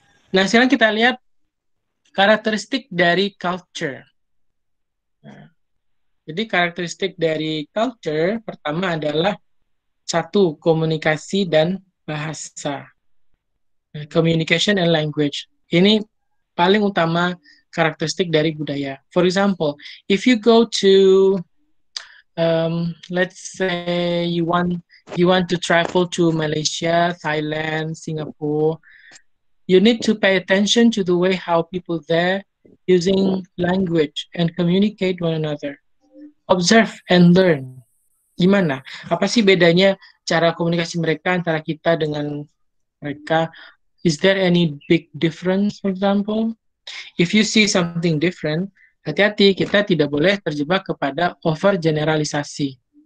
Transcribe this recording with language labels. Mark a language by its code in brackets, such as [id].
[id] Nah, sekarang kita lihat karakteristik dari culture. Jadi karakteristik dari culture pertama adalah satu, komunikasi dan bahasa. [en] Communication and language. [id] Ini paling utama karakteristik dari budaya. [en] For example, if you go to let's say you want to travel to Malaysia, Thailand, Singapore, you need to pay attention to the way how people there using language and communicate one another. Observe and learn. [id] Gimana? Apa sih bedanya cara komunikasi mereka antara kita dengan mereka? [en] Is there any big difference, for example? If you see something different, [id] hati-hati, kita tidak boleh terjebak kepada over generalisasi.